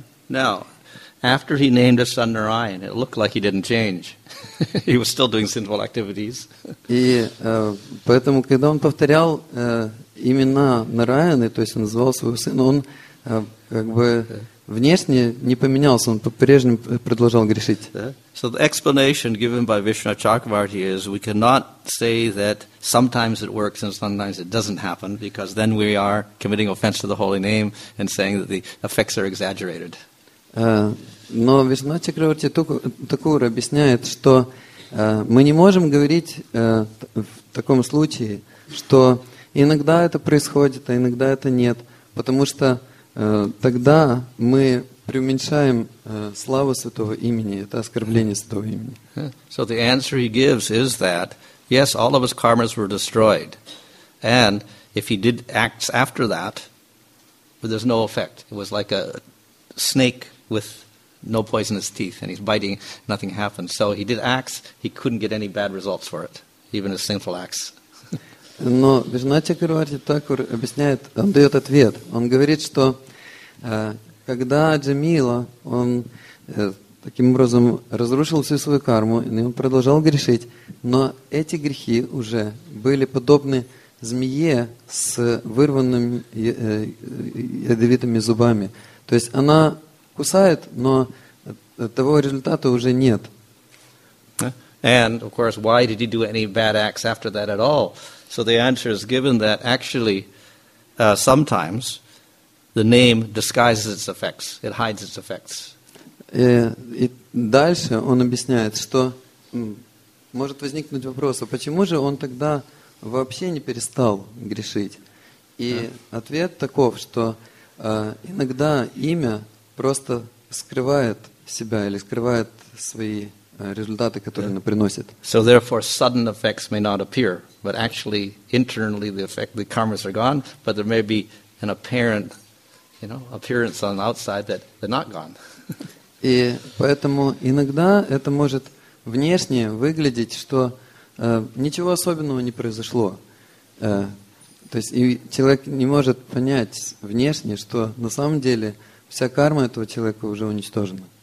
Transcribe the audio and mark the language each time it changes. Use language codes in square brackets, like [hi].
[en] Now, after he named his son Narayan, it looked like he didn't change. He was still doing sinful activities. [ru] И поэтому, когда он повторял имена Нараяны, то есть он назвал своего сына, он как бы Внешне не поменялся, он по-прежнему продолжал грешить. [en] So the explanation given by Vishnu Chakravarti is we cannot say that sometimes it works and sometimes it doesn't happen, because then we are committing offense to the holy name and saying that the effects are exaggerated. [ru] Но Вишну Чакраварти Такур объясняет, что мы не можем говорить в таком случае, что иногда это происходит, а иногда это нет, потому что тогда мы преуменьшаем славу Святого Имени, это оскорбление Святого Имени. [en] So the answer he gives is that, yes, all of his karmas were destroyed, and if he did acts after that, but there's no effect. It was like a snake with no poisonous teeth, and he's biting, nothing happens. So he did acts, he couldn't get any bad results for it, even his sinful acts. [ru] Но Вишну Чакраварти Такур объясняет, он дает ответ. Он говорит, что когда Джамила, он таким образом разрушил всю свою карму, и он продолжал грешить, но эти грехи уже были подобны змее с вырванными ядовитыми зубами. То есть она кусает, но того результата уже нет. [en] And, of course, why did he do any bad acts after that at all? So the answer is given that actually sometimes the name disguises its effects. It hides its effects. [ru] И дальше он объясняет, что может возникнуть вопрос, а почему же он тогда вообще не перестал грешить? И ответ таков, что иногда имя просто скрывает себя или скрывает свои результаты, которые оно приносит. [en] So therefore sudden effects may not appear. But actually, internally, the effect, the karmas are gone, but there may be an apparent, you know, appearance on the outside that they're not gone. [ru] И поэтому иногда это может внешне выглядеть, что ничего особенного не произошло. То есть и человек не может понять внешне, что на самом деле вся карма этого человека уже уничтожена.